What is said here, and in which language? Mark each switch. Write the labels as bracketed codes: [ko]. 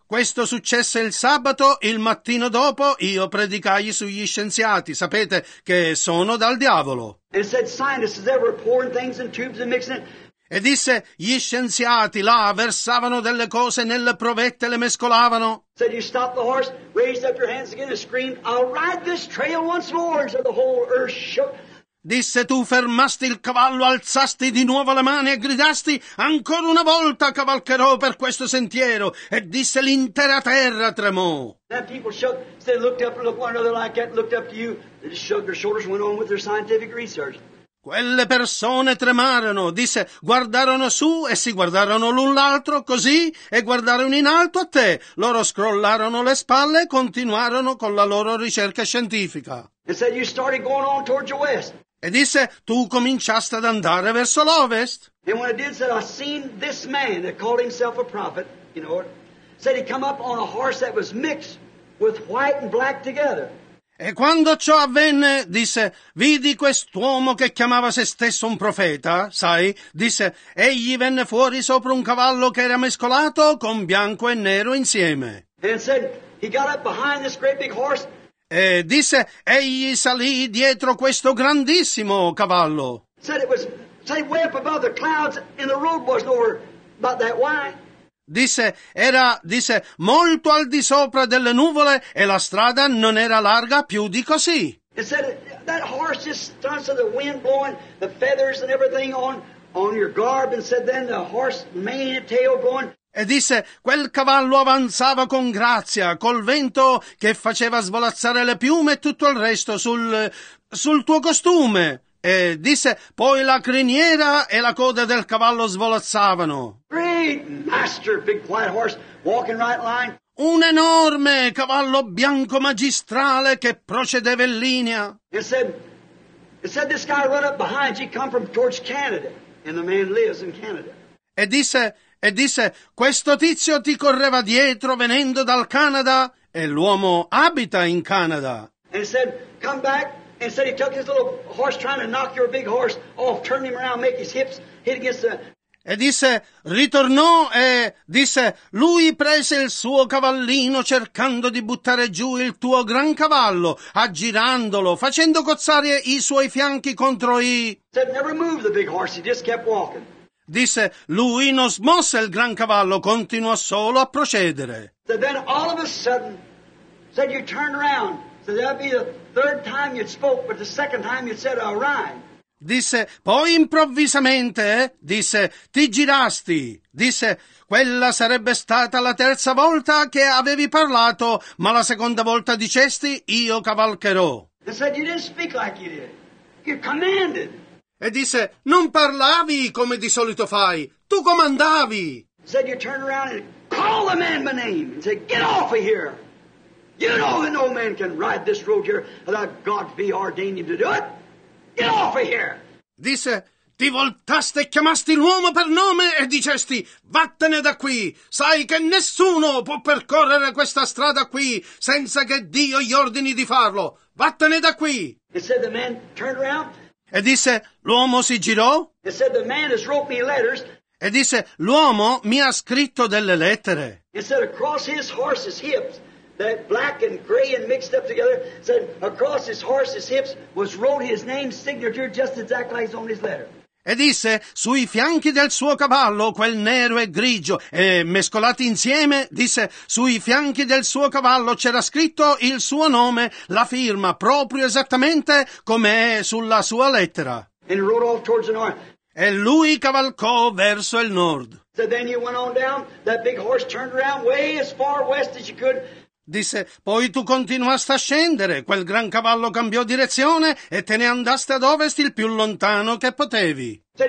[it] Questo successe il sabato, il mattino dopo io predicai sugli scienziati. Sapete che sono dal diavolo. [en] And said scientists that were pouring things in tubes and mixing it. [it] E disse, gli scienziati là versavano delle cose nelle provette e le mescolavano. [en] Said you stop the horse, raised up your hands again and screamed, I'll ride this trail once more, so the whole earth shook. [it] Disse, tu fermasti il cavallo, alzasti di nuovo le mani e gridasti, ancora una volta cavalcherò per questo sentiero. E disse, l'intera terra tremò. [en] Then people shook, they looked up and looked one another like that, looked up to you, they just shrugged their shoulders and went on with their scientific research. [it] Quelle persone tremarono, disse, guardarono su e si guardarono l'un l'altro così e guardarono in alto a te. Loro scrollarono le spalle e continuarono con la loro ricerca scientifica. [en] And said you started going on towards the west. [it] E disse, tu cominciaste ad andare verso l'ovest. [en] And when I did, said, I seen this man that called himself a prophet, you know, said he come up on a horse that was mixed with white and black together. [it] E quando ciò avvenne, disse, vidi quest'uomo che chiamava se stesso un profeta, sai? Disse, egli venne fuori sopra un cavallo che era mescolato con bianco e nero insieme. [en] And said, he got up behind this great big horse. [it] E disse, egli salì dietro questo grandissimo cavallo. [en] Said it was, say, way up above the clouds and the road wasn't over about that wide. [it] Disse, era, disse, molto al di sopra delle nuvole e la strada non era larga più di così. [en] And said, that horse just starts with the wind blowing, the feathers and everything on your garb, and said then the horse mane and tail blowing. [it] E disse, quel cavallo avanzava con grazia, col vento che faceva svolazzare le piume e tutto il resto sul tuo costume. E disse, poi la criniera e la coda del cavallo svolazzavano. [en] Great master, big white horse, walking right line. [it] Un enorme cavallo bianco magistrale che procedeva in linea. [en] It said this guy run up behind you, come from towards Canada, and the man lives in Canada. [it] E disse, questo tizio ti correva dietro venendo dal Canada, e l'uomo abita in Canada. [en] And said, come back. And said he took his little horse trying to knock your big horse off, turn him around, make his hips hit against the... [it] E disse, ritornò e disse, lui prese il suo cavallino cercando di buttare giù il tuo gran cavallo, aggirandolo, facendo cozzare i suoi fianchi contro i... [en] Said never move the big horse, he just kept walking. [it] Disse, lui non smosse il gran cavallo, continuò solo a procedere. [en] Said then all of a sudden, said you turn around. So that'd be the third time you'd spoke, but the second time you said, I'll ride. [it] Disse, poi improvvisamente, disse, ti girasti. Disse, quella sarebbe stata la terza volta che avevi parlato, ma la seconda volta dicesti, io cavalcherò. [en] And said, you didn't speak like you did. You commanded. [it] E disse, non parlavi come di solito fai. Tu comandavi. [en] Said, you turn around and call the man by name and say, get off of here. You know that no man can ride this road here without God be ordained him to do it. Get off of here! [it] Disse, ti voltaste e chiamasti l'uomo per nome e dicesti, vattene da qui. Sai che nessuno può percorrere questa strada qui senza che Dio gli ordini di farlo. Vattene da qui! [en] He said the man turned around. [it] E disse, l'uomo si girò. [en] He said the man has wrote me letters. [it] E disse, l'uomo mi ha scritto delle lettere. [en] He said across his horse's hips. That black and gray and mixed up together, said across his horse's hips was wrote his name, signature, just exactly like on his letter. [it] E disse, sui fianchi del suo cavallo, quel nero e grigio, e mescolati insieme, disse, sui fianchi del suo cavallo c'era scritto il suo nome, la firma, proprio esattamente come è sulla sua lettera. [en] And rode off towards the north. [it] E lui cavalcò verso il nord. [en] So then you went on down, that big horse turned around way as far west as you could. [it] Disse, poi tu continuaste a scendere, quel gran cavallo cambiò direzione e te ne andaste ad ovest il più lontano che potevi.